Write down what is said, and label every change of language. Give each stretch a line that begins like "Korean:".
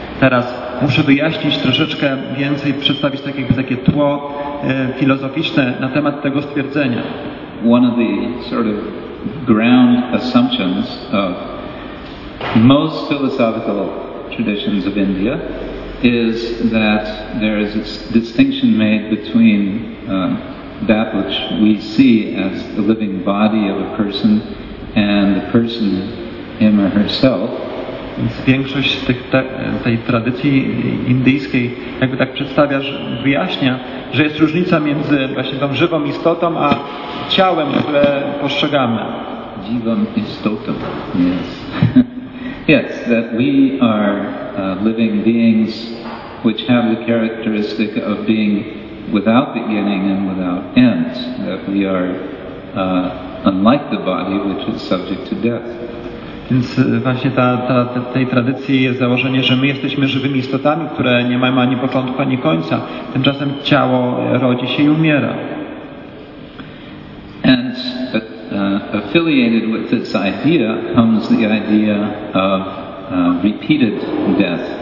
Polish: Teraz muszę wyjaśnić troszeczkę więcej, przedstawić takie tło filozoficzne na temat tego stwierdzenia.
English: One of the sort of ground assumptions of most philosophical traditions of India is that there is a distinction made between that which we see as the living body of a person and the person him or herself.
Polish: Większość z tej tradycji indyjskiej jakby tak przedstawia, wyjaśnia, że jest różnica między właśnie tą żywą istotą a ciałem, które postrzegamy. Żywą istotą,
English: yes. Yes, that we are living beings which have the characteristic of being without beginning and without end, that we are unlike the body which is subject to death.
Polish: Więc właśnie tej tradycji jest założenie, że my jesteśmy żywymi istotami, które nie mają ani początku, ani końca. Tymczasem ciało rodzi się i umiera.
English: And affiliated with this idea comes the idea of repeated death.